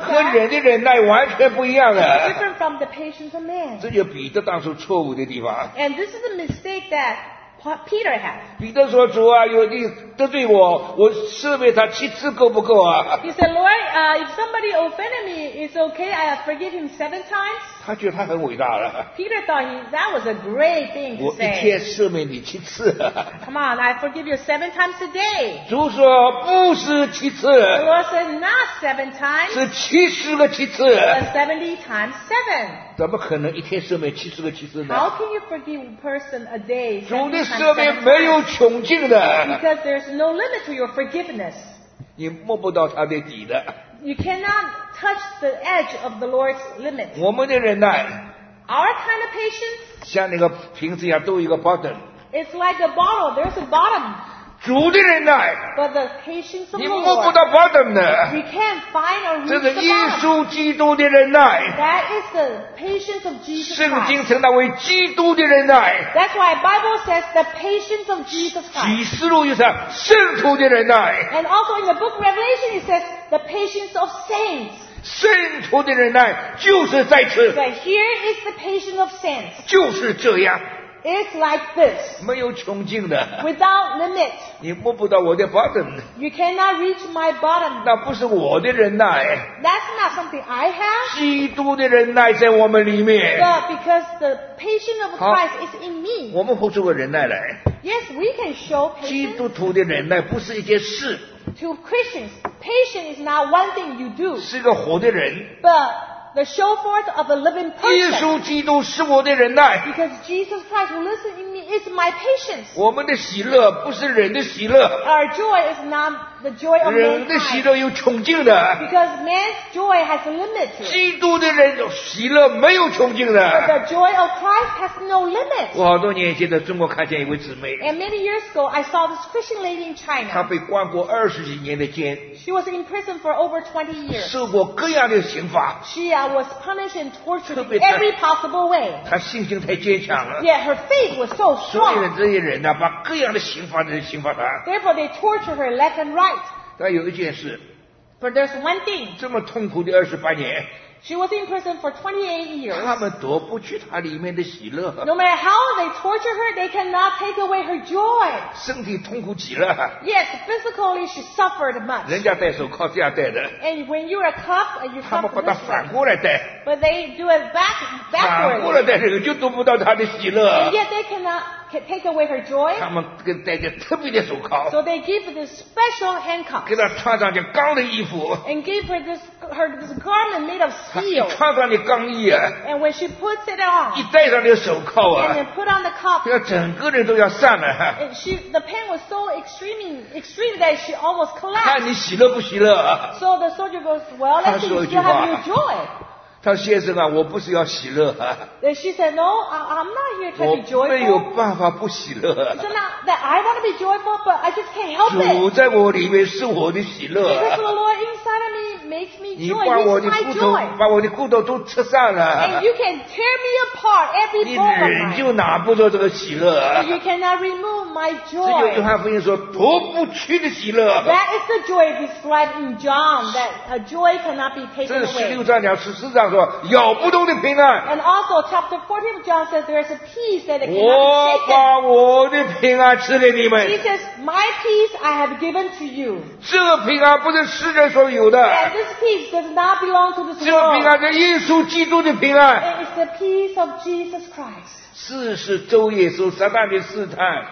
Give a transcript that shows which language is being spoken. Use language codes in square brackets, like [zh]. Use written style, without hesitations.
[zh] 和人的忍耐完全不一样的。 [en] Different from the patience of man. [zh] 这就彼得当初错误的地方。 [en] And this is a mistake that Peter had. [zh] 彼得说主啊有你得罪我我赦免他七次够不够啊。 [en] He said Lord, if somebody offended me, it's okay, I forgive him seven times. [zh] 他觉得他很伟大了。 [en] Peter thought that was a great thing to say. [zh] 我一天赦免你七次。 [en] Come on, I forgive you seven times a day. [zh] 主说不是七次。 [en] The Lord said not seven times. [zh] 是七十个七次。 [en] 70 times seven. [zh] 怎么可能一天赦免七十个七次呢？ [en] How can you forgive a person a day? [zh] 主的赦免没有穷尽的。 [en] Because there's no limit to your forgiveness. [zh] 你摸不到他的底的。 [en] You cannot touch the edge of the Lord's limit. [zh] 我们的忍耐。 [en] Our kind of patience. [zh] 像那个瓶子一样，都有一个 bottom. [en] It's like a bottle. There's a bottom. [zh] 主的忍耐。 [en] But the patience of the Lord. [zh] 你摸不到 bottom 的。 [en] You can't find or reach the bottom. [zh] 这是耶稣基督的忍耐。 [en] That is the patience of Jesus Christ. [zh] 圣经称它为基督的忍耐。 [en] That's why Bible says the patience of Jesus Christ. [zh] 启示录又称圣徒的忍耐。 [en] And also in the book Revelation it says. The patience of saints. [zh] 圣徒的忍耐就是在此。 [en] But here is the patience of saints. [zh] 就是这样。 [en] It's like this. [zh] 没有穷尽的。 [en] Without limit. [zh] 你摸不到我的 bottom. [en] You cannot reach my bottom. [zh] 那不是我的忍耐。 [en] That's not something I have. [zh] 基督的忍耐在我们里面。 [en] But because the patience of Christ is in me. [zh] 我们活出个忍耐来。 [en] Yes, we can show patience. [zh] 基督徒的忍耐不是一件事。 [en] To Christians, patience is not one thing you do. [zh] 是个活的人。 [en] But the show forth of a living person. [zh] 耶稣基督是我的忍耐。 [en] Because Jesus Christ who lives in me is my patience. [zh] 我们的喜乐不是人的喜乐。 [en] Our joy is not the joy of man. [zh] 人的喜乐有穷尽的。 [en] Because man's joy has a limit. [zh] 基督的人喜乐没有穷尽的。 [en] But the joy of Christ has no limit. [zh] 我好多年前在中国看见一位姊妹。 [en] And many years ago, I saw this Christian lady in China. [zh] 她被关过二十几年的监。 [en] She was in prison for over 20 years. [zh] 受过各样的刑罚。 [en] She was punished and tortured in every possible way. [zh] 她信心太坚强了。 [en] Yet her faith was so strong. [zh] 所以这些人呢，把各样的刑罚的人刑罚她。 [en] Therefore, they tortured her left and right. [zh] 但有一件事。 [en] But there's one thing. [zh] 这么痛苦的二十八年。 [en] She was in prison for 28 years. [zh] 他们夺不去她里面的喜乐。 [en] No matter how they torture her, they cannot take away her joy. [zh] 身体痛苦极了。 [en] Yes, physically she suffered much. [zh] 人家戴手铐这样戴的。 [en] And when you are cuffed, you suffer. [zh] 他们把它反过来戴。 [en] But they do it backwards. [zh] 反过来戴这个就夺不到她的喜乐。 [en] And yet they cannot take away her joy. [zh] 他们跟戴着特别的手铐。 [en] So they give this special handcuffs. [zh] 给她穿上件钢的衣服。 [en] And give her this garment made of steel. [zh] 一穿上的钢衣啊， [en] and when she puts it on, [zh] 一戴上的手铐啊， [en] and put on the cuff, [zh] 要整个人都要散了。 [en] And she, the pain was so extreme that she almost collapsed. [zh] 看你喜乐不喜乐。 [en] So the soldier goes, well, let's see if you have your joy. [zh] 他说先生啊，我不是要喜乐啊。 [en] She said, no, I'm not here to be joyful. [zh] 我没有办法不喜乐。 [en] She said, no, that I want to be joyful, but I just can't help it. [zh] 主在我里面是我的喜乐。 [en] Because the Lord inside of me makes me joy. [zh] 你把我的骨头，把我的骨头都吃散了。 [en] And you can tear me apart every bone. [zh] 你忍就拿不到这个喜乐。 [en] But you cannot remove my joy. [zh] 这就约翰福音说夺不去的喜乐。 [en] That is the joy described in John, that a joy cannot be taken away. [zh] 这是16章2-14章说咬不动的平安。 [en] And also chapter 14 of John says there is a peace that it cannot be taken. [zh] 我把我的平安赐给你们。 [en] Jesus, my peace I have given to you. [zh] 这平安不是世人所有的。 [en] And this peace does not belong to this world. [zh] 这平安是耶稣基督的平安。 [en] It is the peace of Jesus Christ. [zh] 四是昼夜受撒旦的试探。